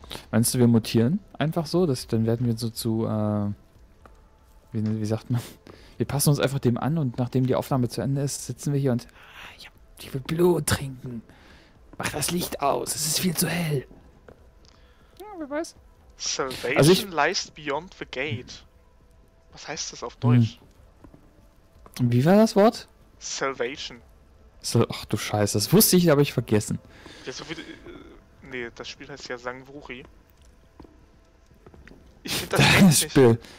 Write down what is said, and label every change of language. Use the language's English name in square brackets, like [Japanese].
[German] Meinst du, wir mutieren einfach so? Dann werden wir so zu, wie sagt man? Wir passen uns einfach dem an und nachdem die Aufnahme zu Ende ist, sitzen wir hier und... Ich will Blut trinken. Mach das Licht aus, es ist viel zu hell. Ja, wer weiß. [English] Salvation also lies beyond the gate. [German] Was heißt das auf Deutsch? Wie war das Wort? [English] Salvation. [German] Ach du Scheiße, das wusste ich, aber ich vergessen. Ja, so viel. Nee, das Spiel heißt ja Sangwuri. Ich finde das nicht. Spiel.